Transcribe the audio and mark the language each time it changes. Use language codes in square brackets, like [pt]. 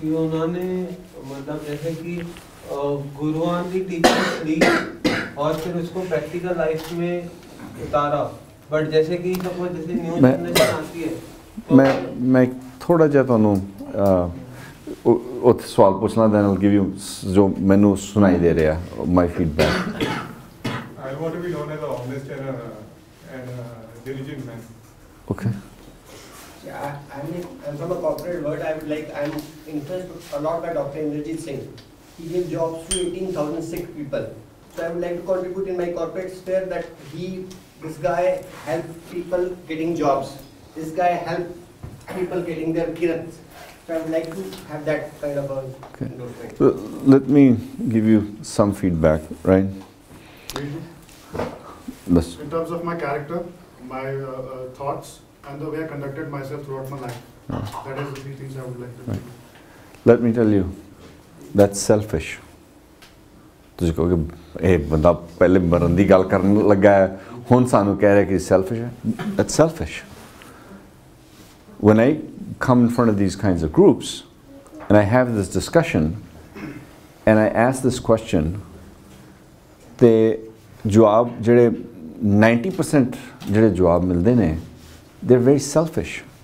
[pa] ਕਿ ਉਹਨਾਂ ਨੇ ਮਤਲਬ ਜੈਸੇ ਕਿ ਗੁਰੂਆਂ ਦੀ ਟੀਚਿੰਗ ਲਈ ਔਰ ਫਿਰ ਉਸਕੋ ਪ੍ਰੈਕਟੀਕਲ ਲਾਈਫ ਮੇਂ ਉਤਾਰਾ ਬਟ ਜੈਸੇ ਕਿ ਸਪੋਜ਼ ਜੈਸੇ ਨਿਊ ਜਨਰੇਸ਼ਨ ਆਉਂਦੀ ਹੈ ਮੈਂ ਮੈਂ ਥੋੜ੍ਹਾ ਜਿਹਾ ਤੁਹਾਨੂੰ ਉੱਥੇ ਸਵਾਲ ਪੁੱਛਣਾ [en] then will give you [pa] ਜੋ ਮੈਨੂੰ ਸੁਣਾਈ ਦੇ ਰਿਹਾ [en] My feedback I want to be known as a honest and diligent man okay Yeah, I mean, from a corporate world, I would like, I'm interested a lot by Dr. Indrajit Singh. He gave jobs to 18,000 sick people. So I would like to contribute in my corporate sphere that he, this guy helped people getting jobs. This guy helped people getting their kirat. So I would like to have that kind of a okay. endorsement. Let me give you some feedback, right? In terms of my character, my thoughts, and the way I conducted myself throughout my life. Oh. That is the three things I would like to do. Let me tell you, that's selfish. [pa] ਤੁਸੀਂ ਕਹੋ ਕਿ ਇਹ ਬੰਦਾ ਪਹਿਲੇ ਮਰਨ ਦੀ ਗੱਲ ਕਰਨ ਲੱਗਾ ਹੈ ਹੁਣ ਸਾਨੂੰ ਕਹਿ ਰਿਹਾ ਕਿ ਸੈਲਫਿਸ਼ ਹੈ [en] it's selfish when I come in front of these kinds of groups and I have this discussion and I ask this question [pa] ਅਤੇ ਜਵਾਬ ਜਿਹੜੇ 90% ਜਿਹੜੇ ਜਵਾਬ ਮਿਲਦੇ ਨੇ [en] they are very selfish